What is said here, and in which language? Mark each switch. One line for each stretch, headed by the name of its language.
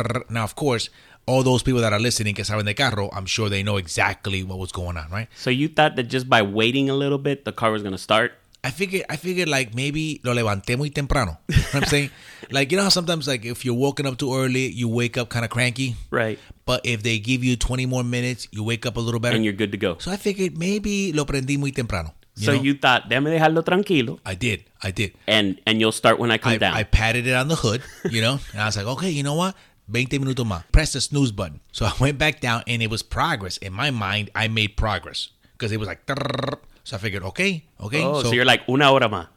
English: Now, of course, all those people that are listening,
Spanish: que saben de carro,
English: I'm sure they know exactly what was going on, right? So you thought that just by waiting a little bit, the car was going to start? I figured like maybe
Spanish: lo levanté muy temprano.
English: You know what I'm saying? Like, you know how sometimes, like, if you're woken up too early, you wake up kind of cranky? Right. But if they give you 20 more minutes, you wake up a little better. And you're good to go. So I figured maybe
Spanish: lo prendí muy temprano.
English: You thought,
Spanish: déjame dejarlo tranquilo.
English: I did. And you'll start when I come down. I patted it on the hood, you know? And I was like, okay, you know what?
Spanish: 20 minutos más.
English: Press the snooze button. So I went back down, and it was progress. In my mind, I made progress. Because it was like, so I figured, okay. Oh, so you're like,
Spanish: una hora más.